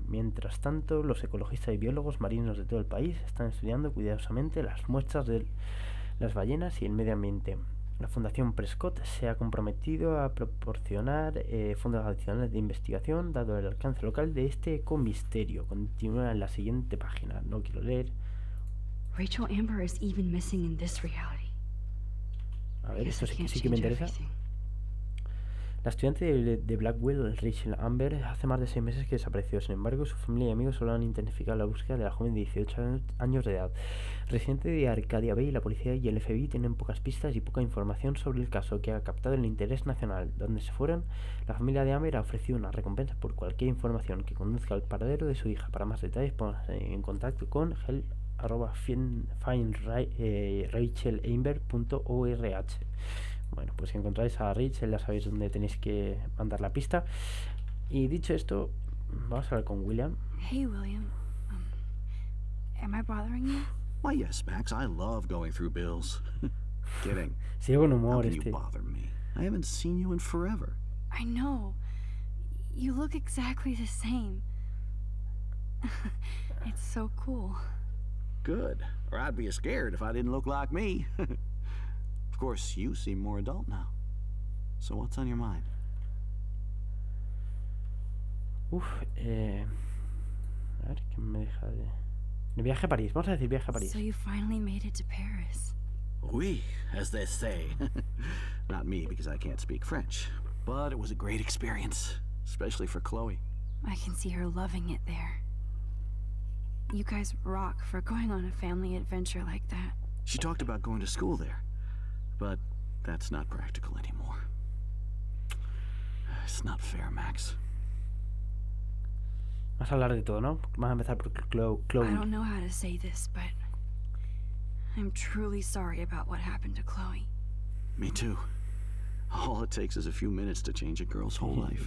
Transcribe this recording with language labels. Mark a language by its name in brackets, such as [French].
[Spanish] Mientras tanto, los ecologistas y biólogos marinos de todo el país están estudiando cuidadosamente las muestras de las ballenas y el medio ambiente. La Fundación Prescott se ha comprometido a proporcionar fondos adicionales de investigación dado el alcance local de este ecomisterio. Continúa en la siguiente página. No quiero leer. [English] Rachel Amber is even missing in this reality. [Spanish] A ver, esto sí que me interesa. La estudiante de Blackwell, Rachel Amber, hace más de 6 meses que desapareció. Sin embargo, su familia y amigos solo han intensificado la búsqueda de la joven de 18 años de edad. Residente de Arcadia Bay, la policía y el FBI tienen pocas pistas y poca información sobre el caso que ha captado el interés nacional. Donde se fueron, la familia de Amber ha ofrecido una recompensa por cualquier información que conduzca al paradero de su hija. Para más detalles, pónganse en contacto con help@findrachelamber.org. Bueno, pues si encontráis a Rachel, ya sabéis dónde tenéis que mandar la pista. Y dicho esto, vamos a hablar con William. [English] Hey, William. Am I bothering you? Why, yes, Max. I love going through bills. Kidding. [Spanish] Sigo con humor este. [English] How can you bother me? I haven't seen you in forever. I know. You look exactly the same. It's so cool. Good. Or I'd be scared if I didn't look like me. Of course, you seem more adult now. So what's on your mind? [Spanish] Uf, a ver, ¿qué me deja de...? El viaje a París, vamos a decir viaje a París. [English] So you finally made it to Paris. Oui, as they say. Not me, because I can't speak French. But it was a great experience, especially for Chloe. I can see her loving it there. You guys rock for going on a family adventure like that. She talked about going to school there. But that's not practical anymore. It's not fair, Max. [Spanish] Vamos a hablar de todo, ¿no? Vamos a empezar por Chloe. [English] I don't know how to say this, but I'm truly sorry about what happened to Chloe. Me too. All it takes is a few minutes to change a girl's whole life.